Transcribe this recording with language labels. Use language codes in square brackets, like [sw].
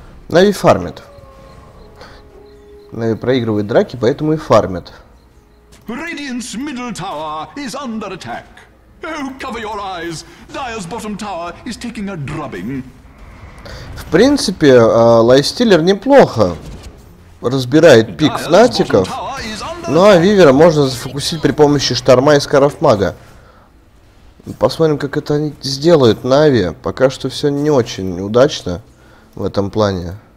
[ru] Нави фармит. Нави проигрывает драки, поэтому и фармит. [en] Radiant's middle tower is under attack. Oh, cover your eyes. Dire's bottom tower is taking a drubbing. [ru] В принципе, лайфстиллер неплохо разбирает пик фнатиков. Ну а вивера можно зафокусить при помощи шторма и скарафмага. Посмотрим, как это они сделают Нави. Пока что все не очень удачно в этом плане.